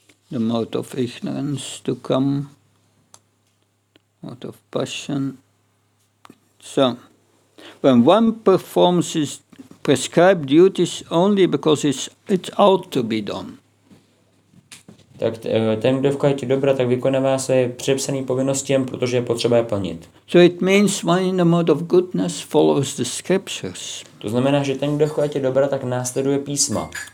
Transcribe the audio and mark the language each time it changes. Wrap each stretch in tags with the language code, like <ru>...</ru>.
<en>The mouth of ignorance to come out of passion. So when one performs his prescribed duties only because it's ought to be done.</en> <cs>Tak ten, kdo v kvalitě dobra, tak vykonává své přepsané povinnosti, protože je potřeba je plnit.</cs> <en>So it means one in the mode of goodness follows the scriptures.</en> <cs>To znamená, že ten, kdo v kvalitě dobra, tak následuje písma.</cs>